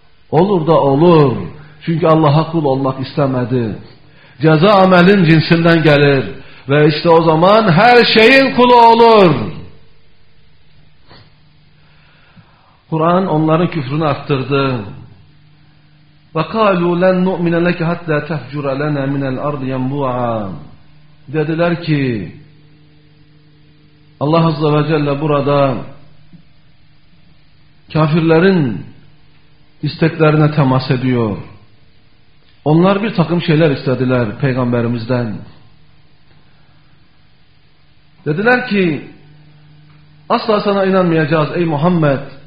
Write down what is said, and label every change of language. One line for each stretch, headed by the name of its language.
Turkish: Olur da olur. Çünkü Allah'a kul olmak istemedi. Ceza amelin cinsinden gelir. Ve işte o zaman her şeyin kulu olur. Kur'an onların küfrünü arttırdı.
Arabic: وَقَالُوا لَنْ نُؤْمِنَ لَكَ حَتَّى تَحْجُرَ لَنَا مِنَ الْأَرْضِ يَنْبُعًا
Turkish: Dediler ki, Allah Azze ve Celle burada kafirlerin isteklerine temas ediyor. Onlar bir takım şeyler istediler peygamberimizden. Dediler ki, asla sana inanmayacağız ey Muhammed.